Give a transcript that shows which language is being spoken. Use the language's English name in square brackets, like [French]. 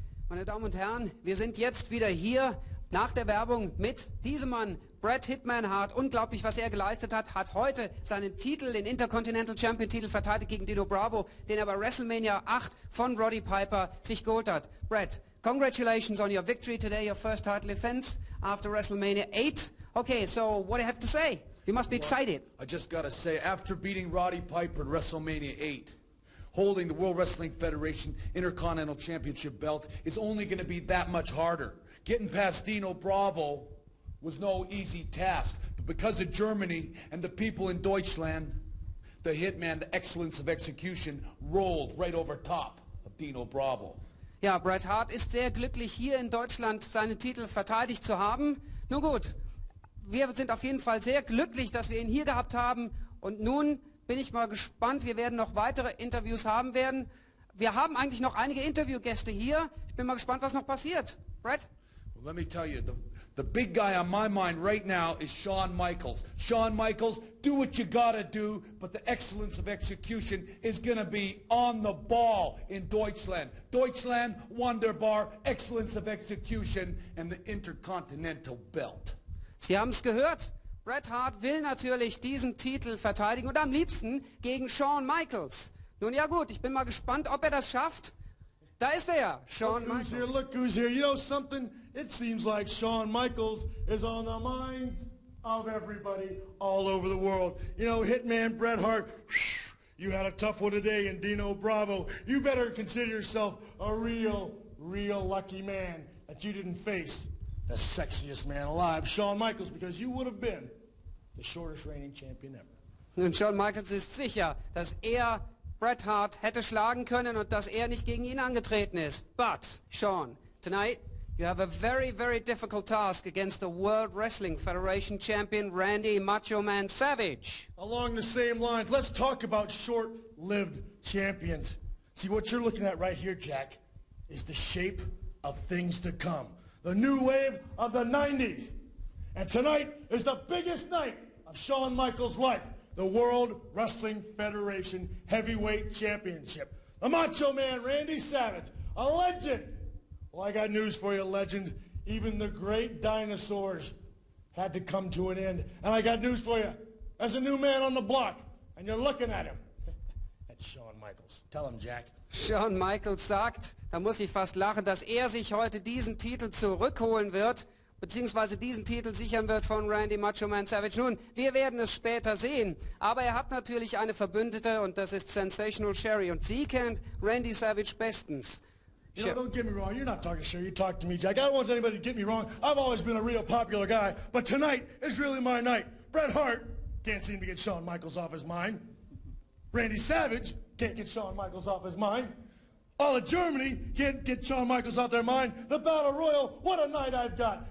[German] Meine meine Damen und Herren, wir sind jetzt wieder hier nach der Werbung mit diesem Mann, Bret Hitman Hart. Unglaublich, was er geleistet hat, hat heute seinen Titel, den Intercontinental Champion Titel verteidigt gegen Dino Bravo, den er bei WrestleMania 8 von Roddy Piper sich geholt hat. [English] Bret, congratulations on your victory today, your first title defense after WrestleMania 8. Okay, so what do you have to say? You must be excited. I just gotta say, after beating Roddy Piper in WrestleMania 8, holding the World Wrestling Federation Intercontinental Championship belt is only gonna be that much harder. Getting past Dino Bravo was no easy task, but because of Germany and the people in Deutschland, the Hitman, the excellence of execution, rolled right over top of Dino Bravo. [German] Ja, Bret Hart ist sehr glücklich, hier in Deutschland seinen Titel verteidigt zu haben. Nun gut, wir sind auf jeden Fall sehr glücklich, dass wir ihn hier gehabt haben. Und nun bin ich mal gespannt, wir werden noch weitere Interviews haben werden. Wir haben eigentlich noch einige Interviewgäste hier. Ich bin mal gespannt, was noch passiert. Bret? [English] Well, let me tell you, the big guy on my mind right now is Shawn Michaels. Shawn Michaels, do what you gotta do, but the excellence of execution is gonna be on the ball in Deutschland. [German] Deutschland, Wunderbar, [English] excellence of execution and the Intercontinental Belt. [German] Sie haben es gehört. Bret Hart will natürlich diesen Titel verteidigen und am liebsten gegen Shawn Michaels. Nun ja gut, ich bin mal gespannt, ob er das schafft. Da ist er ja, Shawn Michaels. [English] Look who's here, look who's here. You know something? It seems like Shawn Michaels is on the mind of everybody all over the world. You know, Hitman Bret Hart, you had a tough one today in Dino Bravo. You better consider yourself a real, real lucky man that you didn't face the sexiest man alive, Shawn Michaels, because you would have been the shortest reigning champion ever. [German] Nun, Shawn Michaels ist sicher, dass er Bret Hart hätte schlagen können und dass er nicht gegen ihn angetreten ist. [English] But, Shawn, tonight you have a very, very difficult task against the World Wrestling Federation champion Randy Macho Man Savage. Along the same lines, let's talk about short-lived champions. See, what you're looking at right here, Jack, is the shape of things to come. The new wave of the 90s. And tonight is the biggest night of Shawn Michaels' life. The World Wrestling Federation Heavyweight Championship. The Macho Man, Randy Savage, a legend. Well, I got news for you, legend. Even the great dinosaurs had to come to an end. And I got news for you. As a new man on the block, and you're looking at him. That's Shawn Michaels. Tell him, Jack. [German] Shawn Michaels sagt, da muss ich fast lachen, dass er sich heute diesen Titel zurückholen wird, beziehungsweise diesen Titel sichern wird von Randy Macho Man Savage. Nun, wir werden es später sehen. Aber er hat natürlich eine Verbündete und das ist Sensational Sherry. Und sie kennt Randy Savage bestens. [English] You know, don't get me wrong. You're not talking to Sherry. You talk to me, Jack. I don't want anybody to get me wrong. I've always been a real popular guy. But tonight is really my night. Bret Hart can't seem to get Shawn Michaels off his mind. Randy Savage can't get Shawn Michaels off his mind. All of Germany can't get Shawn Michaels off their mind. The Battle Royal, what a night I've got.